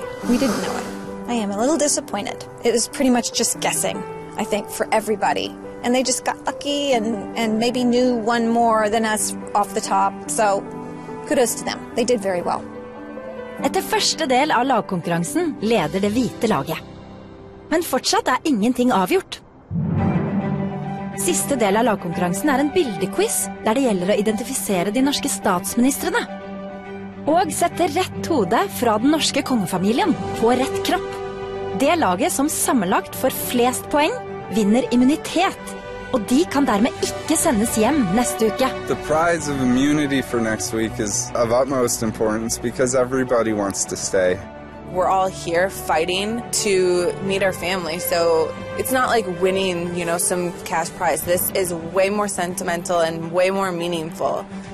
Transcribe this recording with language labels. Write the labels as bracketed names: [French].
[English] We didn't know it. I am a little disappointed. It was pretty much just guessing, I think, for everybody. And they just got lucky and maybe knew one more than us off the top. So, kudos to them. They did very well. [Norwegian] Etter første del av lagkonkurransen leder det hvite laget. Men fortsatt ingenting avgjort. Siste del av lagkonkurransen en bildequiz der det gjelder å identifisere de norske statsministrene. Og setter rett hode fra den norske kongefamilien på rett kropp. Det laget som sammenlagt får flest poeng, vinner immunitet. Og de kan dermed ikke sendes hjem neste uke. [English] The prize of immunity for next week is of utmost importance because everybody wants to stay. We're all here fighting to meet our family, so it's not like winning, you know, some cash prize. This is way more sentimental and way more meaningful.